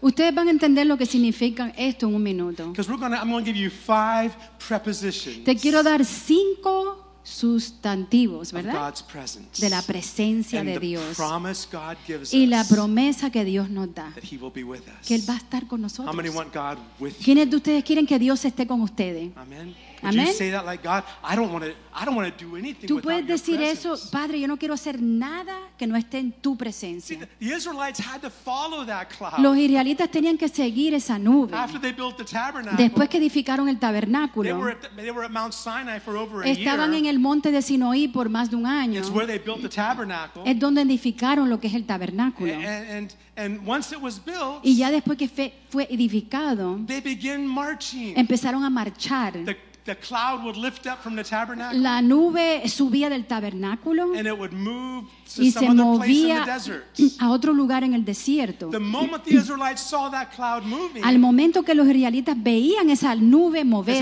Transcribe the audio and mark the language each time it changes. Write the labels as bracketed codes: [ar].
[es] Ustedes van a entender lo que significa esto en un minuto. [en] Because I'm going to give you five prepositions. [es] Te quiero dar cinco sustantivos, ¿verdad? [en] Of God's presence. [es] De la presencia [en] and [es] de [en] the [es] Dios. [en] Promise God gives [es] y la promesa que Dios nos da. [en] That he will be with us. [es] Que Él va a estar con nosotros. [en] How many want God with you? [es] ¿Quiénes de ustedes quieren que Dios esté con ustedes? [en] Amen. Amen. Would you say that like God? I don't want to do anything without your presence. [es] Tú puedes decir eso, Padre, yo no quiero hacer nada que no esté en tu presencia. [en] See, the Israelites had to follow that cloud. [es] Los israelitas tenían que seguir esa nube. [en] After they built the tabernacle. [es] Después que edificaron el tabernáculo. [en] They were at Mount Sinai for over a year. [es] Estaban en el monte de Sinaí por más de un año. [en] It's where they built the tabernacle. [es] Es donde edificaron lo que es el tabernáculo. [en] And once it was built, [es] y ya después que fue edificado, [en] they began marching. [es] Empezaron a marchar. [en] The cloud would lift up from the tabernacle. [es] La nube subía del tabernáculo. [en] And it would move to [es] y [en] some other place in the desert. [es] A otro lugar en el desierto. [en] The moment the Israelites saw that cloud moving, [es] al momento que los israelitas veían esa nube moverse,